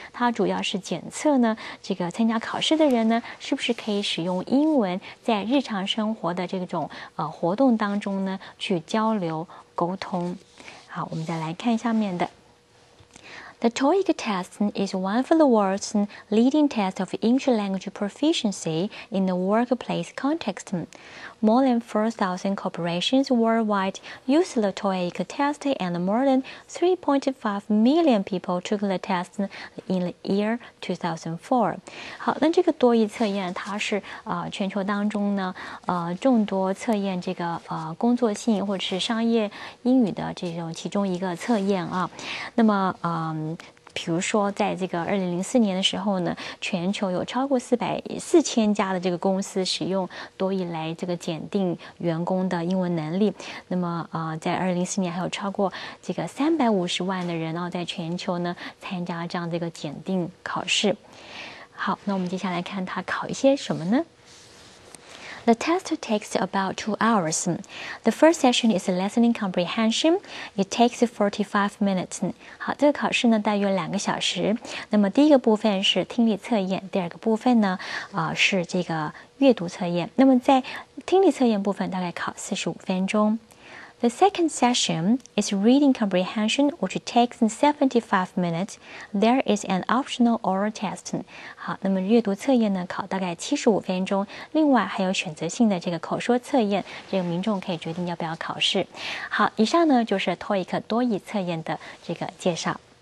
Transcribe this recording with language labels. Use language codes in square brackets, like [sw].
[zh] 它主要是检测呢，这个参加考试的人呢，是不是可以使用英文在日常生活的这种活动当中呢去交流沟通。好，我们再来看下面的。 [en] The TOEIC test is one of the world's leading tests of English language proficiency in the workplace context. More than 4,000 corporations worldwide use the TOEIC test, and more than 3.5 million people took the test in the year 2004. [zh] 好，那这个多益测验它是全球当中呢众多测验这个工作性或者是商业英语的这种其中一个测验啊。那么比如说在这个2004年的时候呢，全球有超过4000家的这个公司使用多益来这个检定员工的英文能力。那么在2004年还有超过这个350万的人在全球呢参加这样这个检定考试。好，那我们接下来看它考一些什么呢？ [en] The test takes about 2 hours. The first session is listening comprehension. It takes 45 minutes. [zh] 好，这个考试呢大约2小时。那么第一个部分是听力测验，第二个部分呢是这个阅读测验。那么在听力测验部分大概考45分钟。 [en] The second session is reading comprehension, which takes 75 minutes. There is an optional oral test. [zh] 好，那么阅读测验呢，考大概75分钟。另外还有选择性的这个口说测验，这个民众可以决定要不要考试。好，以上呢就是 TOEIC 多益测验的这个介绍。